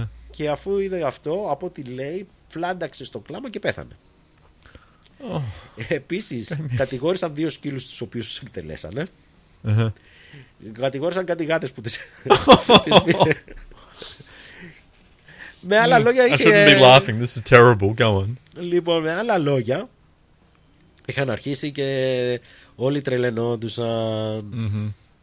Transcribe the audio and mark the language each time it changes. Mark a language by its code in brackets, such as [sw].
[el] Και αφού είδε αυτό, από ό,τι λέει, φλάνταξε στο κλάμα και πέθανε. Επίσης, κατηγόρησαν δύο σκύλους τους οποίους τους εκτελέσανε. Κατηγόρησαν κάτι γάτες που τις πήρε. Με άλλα λόγια, [en] I shouldn't be laughing, this is terrible, go on. [el] Λοιπόν, με άλλα λόγια, είχαν αρχίσει και όλοι τρελαινόντουσαν.